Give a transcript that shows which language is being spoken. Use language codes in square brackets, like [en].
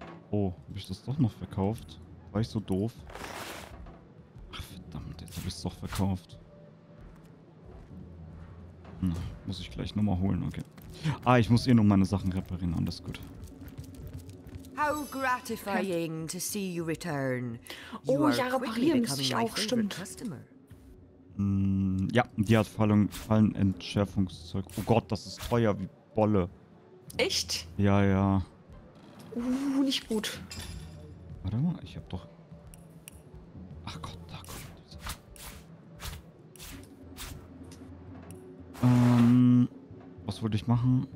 [de] Oh, hab ich das doch noch verkauft? War ich so doof? Ach, verdammt, jetzt hab ich's doch verkauft. Hm, muss ich gleich nochmal holen, okay. Ah, ich muss eh nur meine Sachen reparieren, alles gut. [en] How gratifying to see you return. [de] Oh, ja, reparieren muss ich auch, stimmt. Ja, die hat Fallenentschärfungszeug. Oh Gott, das ist teuer wie Bolle. Echt? Ja, ja. Nicht gut. Warte mal, ich hab doch... Ach Gott, da kommt diese. Was wollte ich machen?